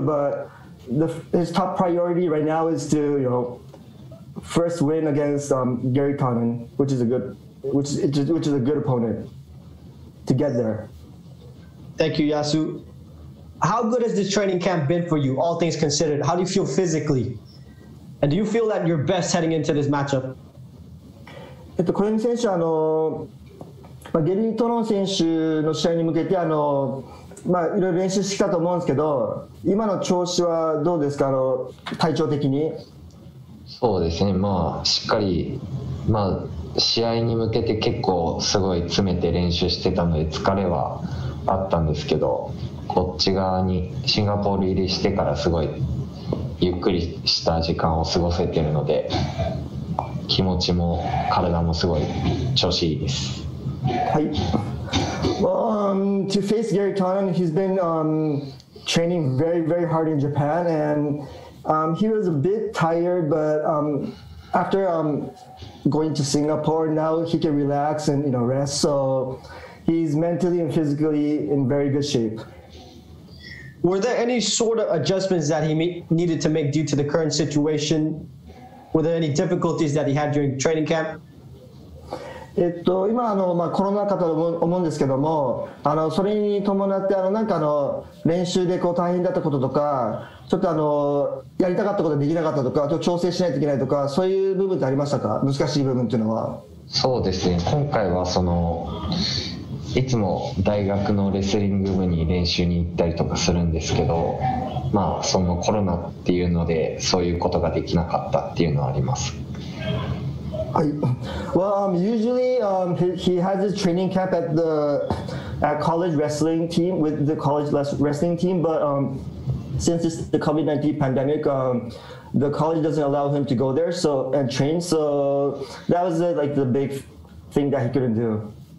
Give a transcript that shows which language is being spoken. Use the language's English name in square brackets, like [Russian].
[English] But his top priority right now is to, first win against Gary Tonin, which is a good opponent to get there. Thank you, Yasu. How good has this training camp been for you, all things considered? How do you feel physically? And do you feel that you're best heading into this matchup? [Japanese] 小泉選手はゲリー・トロン選手の試合に向けていろいろ練習してきたと思うんですけど、今の調子はどうですか、体調的に。そうですね、まあ、しっかり、まあ、試合に向けて結構すごい詰めて練習してたので疲れはあったんですけど、こっち側にシンガポール入りしてからすごいゆっくりした時間を過ごせているので、気持ちも体もすごい調子いいです。はい。 [English] Well, to face Gary Tonin, he's been training very, very hard in Japan, and he was a bit tired, but after going to Singapore, now he can relax and rest. So he's mentally and physically in very good shape. Were there any sort of adjustments that he needed to make due to the current situation? Were there any difficulties that he had during training camp? [Japanese] 今コロナ禍だと思うんですけども、それに伴って練習でこう大変だったこととか、ちょっとやりたかったことができなかったとか、ちょっと調整しないといけないとか、そういう部分ってありましたか？難しい部分っていうのは。そうですね。今回はいつも大学のレスリング部に練習に行ったりとかするんですけど、まあ、そのコロナっていうのでそういうことができなかったっていうのはあります。 [English] Well, usually he has his training camp at the at college wrestling team with the college wrestling team, but since it's the COVID-19 pandemic, the college doesn't allow him to go there so and train. So that was like the big thing that he couldn't do.